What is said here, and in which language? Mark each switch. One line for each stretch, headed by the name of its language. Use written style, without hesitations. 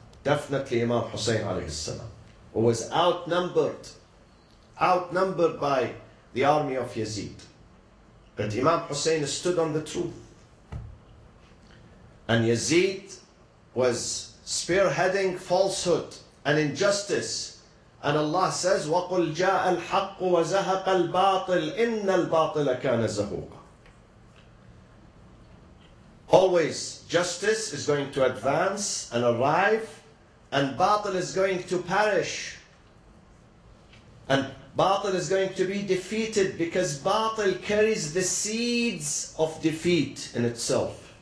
English: Definitely Imam Hussein alayhi salam, who was outnumbered by the army of Yazid. But Imam Hussein stood on the truth. And Yazid was spearheading falsehood and injustice. And Allah says,
Arabic: وَقُلْ جَاءَ الْحَقُّ وَزَهَقَ الْبَاطِلِ إِنَّ الْبَاطِلَ كَانَ زَهُوقًا.
English: Always justice is going to advance and arrive, and batil is going to perish. And batil is going to be defeated, because batil carries the seeds of defeat in itself.